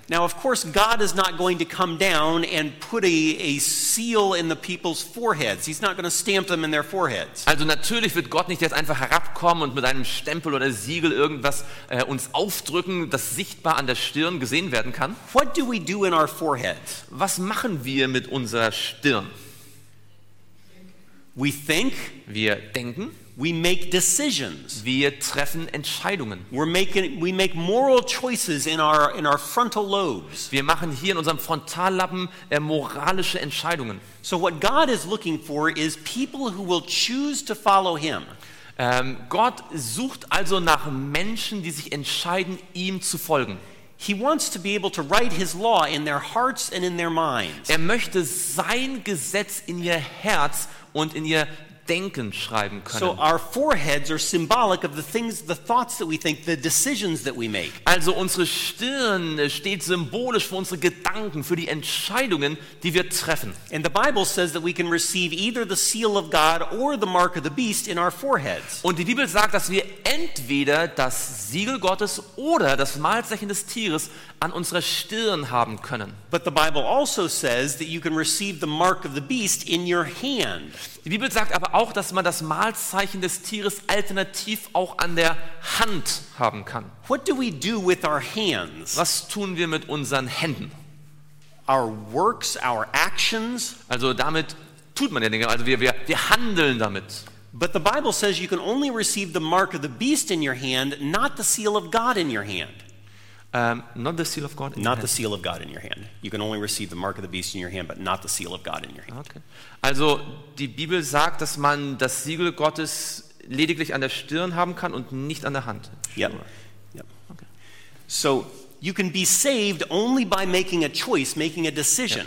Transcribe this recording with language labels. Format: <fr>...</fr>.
<en>Now of course God is not going to come down and put a seal in the people's foreheads. He's not going to stamp them in their foreheads.</en> <de>Also natürlich wird Gott nicht jetzt einfach herabkommen und mit einem Stempel oder Siegel irgendwas uns aufdrücken, das sichtbar an der Stirn gesehen werden kann.</de> <en>What do we do in our foreheads?</en> <de>Was machen wir mit unserer Stirn?</de> <en>We think,</en> <de>wir denken,</de> <en>we make decisions,</en> <de>wir treffen Entscheidungen.</de> <en>We make moral choices in our frontal lobes.</en> <de>Wir machen hier in unserem Frontallappen moralische Entscheidungen.</de> <en>So what God is looking for is people who will choose to follow him.</en> <de>Gott sucht also nach Menschen, die sich entscheiden, ihm zu folgen.</de> <en>He wants to be able to write his law in their hearts and in their minds.</en> <de>Er möchte sein Gesetz in ihr Herz und in ihr Denken schreiben können.</de> <en>So our foreheads are symbolic of the things, the thoughts that we think, the decisions that we make.</en> <de>Also unsere Stirn steht symbolisch für unsere Gedanken, für die Entscheidungen, die wir treffen.</de> <en>And the Bible says that we can receive either the seal of God or the mark of the beast in our foreheads.</en> <de>Und die Bibel sagt, dass wir entweder das Siegel Gottes oder das Malzeichen des Tieres an unserer Stirn haben können.</de> <en>But the Bible also says that you can receive the mark of the beast in your hand.</en> <de>Die Bibel sagt aber auch, dass man das Malzeichen des Tieres alternativ auch an der Hand haben kann.</de> <en>What do we do with our hands?</en> <de>Was tun wir mit unseren Händen?</de> <en>Our works, our actions.</en> <de>Also damit tut man ja Dinge, also wir handeln damit.</de> <en>But the Bible says you can only receive the mark of the beast in your hand, not the seal of God in your hand. Not the seal of God. In not your the hand. Seal of God in your hand. You can only receive the mark of the beast in your hand, but not the seal of God in your hand. Okay.</en> <de>Also die Bibel sagt, dass man das Siegel Gottes lediglich an der Stirn haben kann und nicht an der Hand.</de> <en>Sure. Yep. Yep. Okay. So you can be saved only by making a choice, making a decision.</en>